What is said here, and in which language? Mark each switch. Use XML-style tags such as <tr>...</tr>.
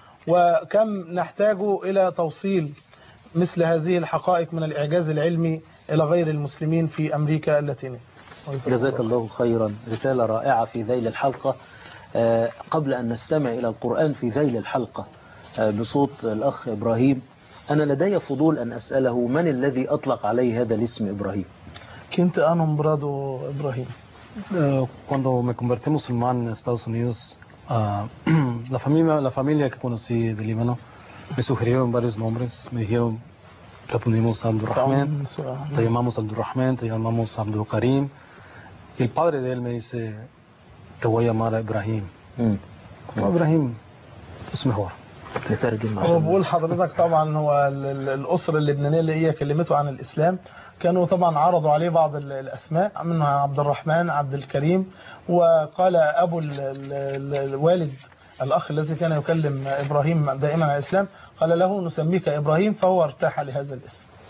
<ar>وكم نحتاج إلى توصيل مثل هذه الحقائق من الإعجاز العلمي إلى غير المسلمين في أمريكا اللاتينية. جزاك الله خيرا، رسالة رائعة في ذيل الحلقة. قبل أن نستمع إلى القرآن في ذيل الحلقة بصوت الأخ إبراهيم، أنا لدي فضول أن أسأله، من الذي أطلق عليه هذا الاسم إبراهيم؟ كنت أنا برادو إبراهيم.</ar> <es>cuando me convertí musulmán en Estados Unidos, la familia que conocí de Líbano me sugirieron varios nombres. Me dijeron te ponemos Abdurrahman, te llamamos Abdurrahman, te llamamos Abdul Karim. El padre de él me dice te voy a llamar Ibrahim. Ibrahim es mejor.</es> <ar>وبقول حضرتك طبعا هو الأسرة اللبنانية اللي هي كلمته عن الإسلام كانوا طبعا عرضوا عليه بعض الأسماء، منها عبد الرحمن عبد الكريم، وقال أبو الوالد الأخ الذي كان يكلم إبراهيم دائما عن الإسلام قال له نسميك إبراهيم، فهو ارتاح لهذا الاسم.</ar>